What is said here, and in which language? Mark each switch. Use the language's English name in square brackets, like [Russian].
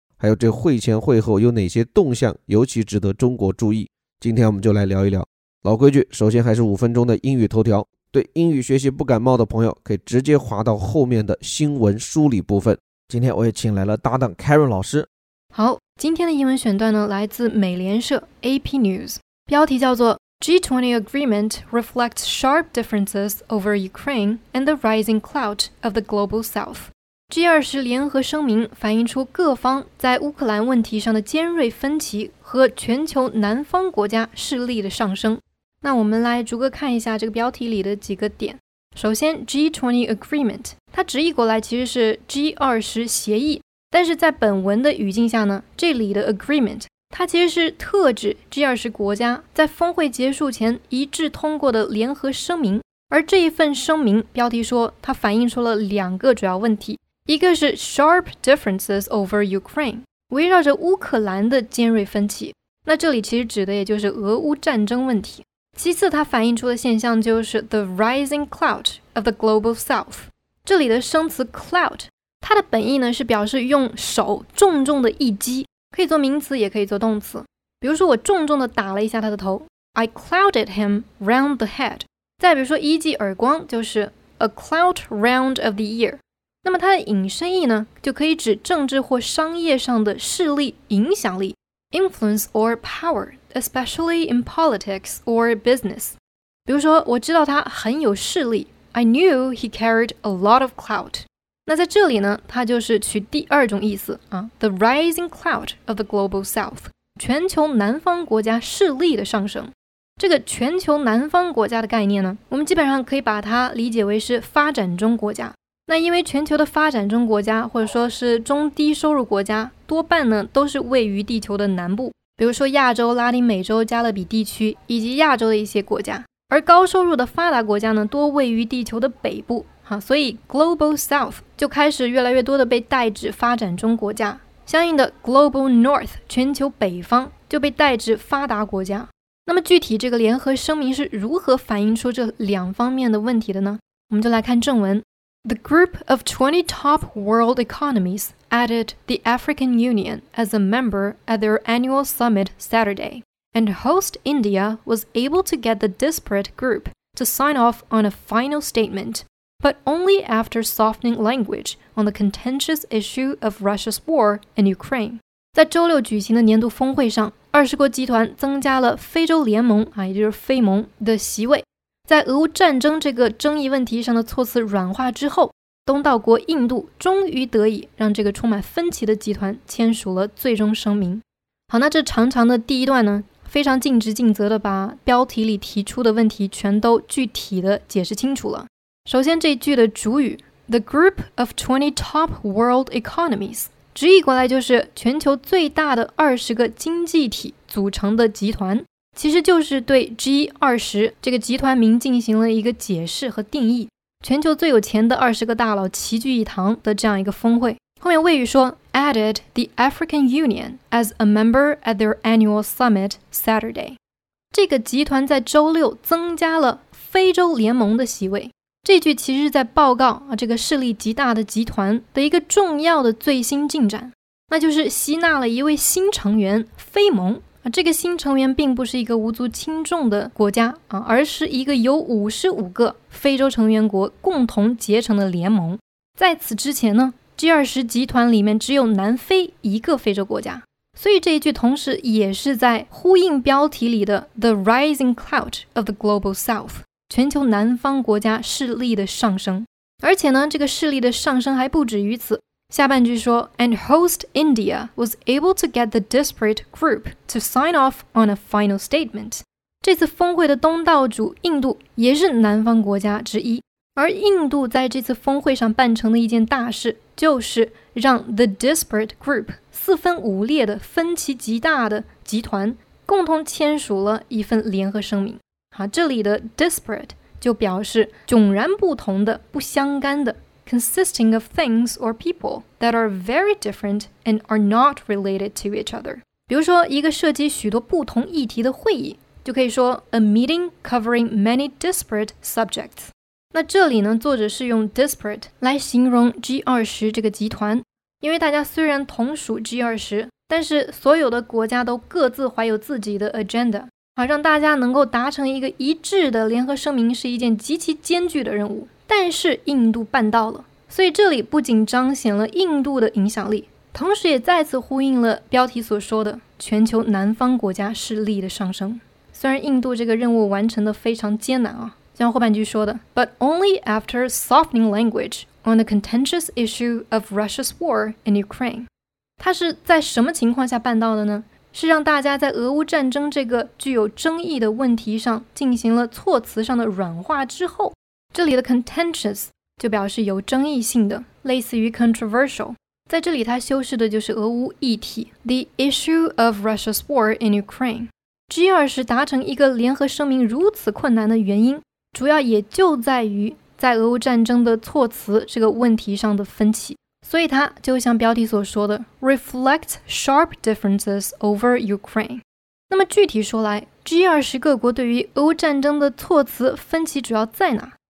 [Chinese] 还有这会前会后有哪些动向尤其值得中国注意？今天我们就来聊一聊。老规矩，首先还是五分钟的英语头条。对英语学习不感冒的朋友，可以直接滑到后面的新闻梳理部分。今天我也请来了搭档 Karen 老师。好，今天的英文选段呢，来自美联社 [English] AP News， [Chinese] 标题叫做 [English] G20 Agreement Reflects Sharp Differences Over Ukraine and the Rising Clout of the Global South。 [Chinese] G20 联合声明反映出各方在乌克兰问题上的尖锐分歧和全球南方国家势力的上升。那我们来逐个看一下这个标题里的几个点。首先 G20 Agreement， 它直译过来其实是 G20 协议，但是在本文的语境下呢，这里的 Agreement 它其实是特指 G20 国家在峰会结束前一致通过的联合声明。而这一份声明标题说它反映出了两个主要问题，一个是 [English] Sharp Differences Over Ukraine， [Chinese] 围绕着乌克兰的尖锐分歧，那这里其实指的也就是俄乌战争问题。其次它反映出的现象就是 [English] The Rising Clout of the Global South。 [Chinese] 这里的生词 Clout 它的本意呢是表示用手重重的一击，可以做名词也可以做动词。比如说我重重的打了一下他的头， [English] I clouted him round the head。 [Chinese] 再比如说一记耳光就是 [English] A clout round of the ear。 [Chinese] 那么它的引申意呢就可以指政治或商业上的势力影响力， [English] Influence or Powerespecially in politics or business。 [Chinese] 比如说我知道他很有势力， [English] I knew he carried a lot of clout。 [Chinese] 那在这里呢他就是取第二种意思啊， [English] The rising clout of the global south， [Chinese] 全球南方国家势力的上升。这个全球南方国家的概念呢，我们基本上可以把它理解为是发展中国家。那因为全球的发展中国家或者说是中低收入国家多半呢都是位于地球的南部，比如说亚洲、拉丁美洲、加勒比地区以及亚洲的一些国家。而高收入的发达国家呢多位于地球的北部，所以 Global South 就开始越来越多的被代指发展中国家，相应的 Global North 全球北方就被代指发达国家。那么具体这个联合声明是如何反映出这两方面的问题的呢？我们就来看正文。 [English] The group of 20 top world economiesadded the African Union as a member at their annual summit Saturday, and host India was able to get the disparate group to sign off on a final statement, but only after softening language on the contentious issue of Russia's war in Ukraine. [Chinese] 在周六举行的年度峰会上，二十国集团增加了非洲联盟，也就是非盟的席位。在俄乌战争这个争议问题上的措辞软化之后，东道国印度终于得以让这个充满分歧的集团签署了最终声明。好，那这长长的第一段呢，非常尽职尽责地把标题里提出的问题全都具体地解释清楚了。首先这一句的主语 [English] The group of 20 top world economies， [Chinese] 直译过来就是全球最大的20个经济体组成的集团，其实就是对 G20 这个集团名进行了一个解释和定义，全球最有钱的二十个大佬齐聚一堂的这样一个峰会。后面谓语说 [English] added the African Union as a member at their annual summit Saturday， [Chinese] 这个集团在周六增加了非洲联盟的席位。这句其实是在报告这个势力极大的集团的一个重要的最新进展，那就是吸纳了一位新成员非盟。这个新成员并不是一个无足轻重的国家，而是一个由55个非洲成员国共同结成的联盟。在此之前呢 G20 集团里面只有南非一个非洲国家，所以这一句同时也是在呼应标题里的 [English] The rising clout of the global south， [Chinese] 全球南方国家势力的上升。而且呢，这个势力的上升还不止于此。下半句说 [English] And host India was able to get the disparate group to sign off on a final statement。 [Chinese] 这次峰会的东道主印度也是南方国家之一，而印度在这次峰会上办成的一件大事，就是让 [English] the disparate group [Chinese] 四分五裂的分歧极大的集团共同签署了一份联合声明。好，这里的 disparate 就表示迥然不同的、不相干的， [English] consisting of things or people that are very different and are not related to each other。 [Chinese] 比如说一个涉及许多不同议题的会议，就可以说 [English] a meeting covering many disparate subjects。 [Chinese] 那这里呢，作者是用 disparate 来形容 G20 这个集团，因为大家虽然同属 G20， 但是所有的国家都各自怀有自己的 agenda， 好让大家能够达成一个一致的联合声明是一件极其艰巨的任务，但是印度办到了。所以这里不仅彰显了印度的影响力，同时也再次呼应了标题所说的全球南方国家势力的上升。虽然印度这个任务完成的非常艰难啊，像后半句说的 [English] But only after softening language on the contentious issue of Russia's war in Ukraine。 [Chinese] 它是在什么情况下办到的呢？是让大家在俄乌战争这个具有争议的问题上进行了措辞上的软化之后。这里的 contentious 就表示有争议性的，类似于 controversial。在这里它修饰的就是俄乌议题 [English] The issue of Russia's war in Ukraine。 [Chinese] G20 达成一个联合声明如此困难的原因主要也就在于在俄乌战争的措辞这个问题上的分歧，所以它就像标题所说的 [English] reflect sharp differences over Ukraine。 [Chinese] 那么具体说来 G20 各国对于俄乌战争的措辞分歧主要在哪？